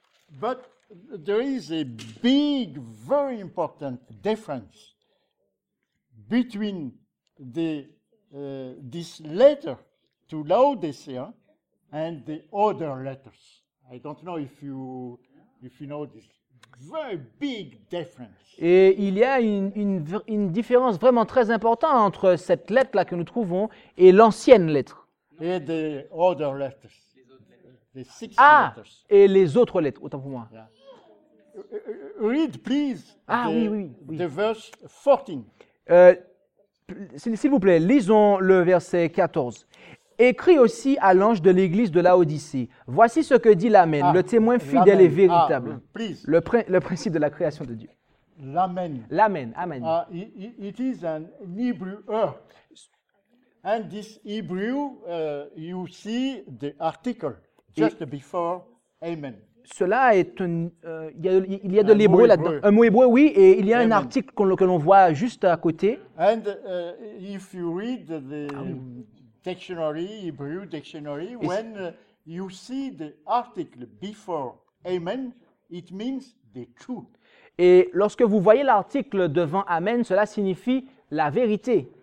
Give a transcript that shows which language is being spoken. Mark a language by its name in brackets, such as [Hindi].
[English] But there is a big, very important difference between this letter to Laodicea and the other letters. I don't know if you know this. Very big difference. [French] Et il y a une différence vraiment très importante entre cette lettre là que nous trouvons et l'ancienne lettre. [English] Et the other letters. The six letters. [French] Et les autres lettres, autant pour moi. [English] Yeah. Read please. [French] Ah oui. [English] The verse 14. [French] S'il vous plaît, lisons le verset 14. Écris aussi à l'ange de l'église de Laodicée. Voici ce que dit l'Amen, le témoin fidèle et véritable. Le principe de la création de Dieu. L'Amen. L'Amen. Amen. [English] It is an Hebrew earth. And this Hebrew, you see the article just before Amen. [French] Cela est un. Il y a de l'hébreu là-dedans. Un mot hébreu, oui, et il y a Amen. Un article que l'on voit juste à côté. [English] And if you read the dictionary, Hebrew dictionary, when you see the article before Amen, it means the truth. [French] Et lorsque vous voyez l'article devant Amen, cela signifie la vérité.